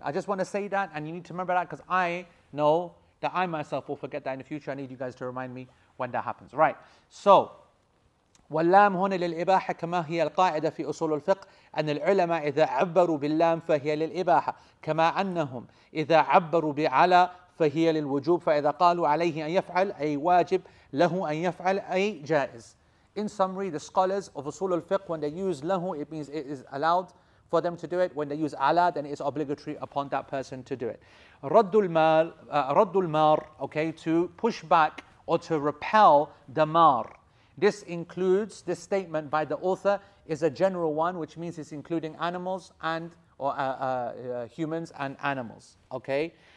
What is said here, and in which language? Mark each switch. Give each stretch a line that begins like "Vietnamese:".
English: I just want to say that, and you need to remember that, because I know that I myself will forget that in the future. I need you guys to remind me when that happens. Right.
Arabic: So, واللام هنا للإباحة كما هي القاعدة في أصول الفقه أن العلماء إذا عبروا باللام فهي للإباحة كما أنهم إذا عبروا بعلى فهي للوجوب فإذا قالوا عليه أن يفعل أي واجب له أن يفعل أي جائز.
English: In summary, the scholars of أصول الفقه, when they use له, it means it is allowed for them to do it. When they use على, then it is obligatory upon that person to do it.
Arabic: رد المار,
English: okay, to push back or to repel the مار. This includes, this statement by the author is a general one, which means it's including animals and, or humans and animals, okay?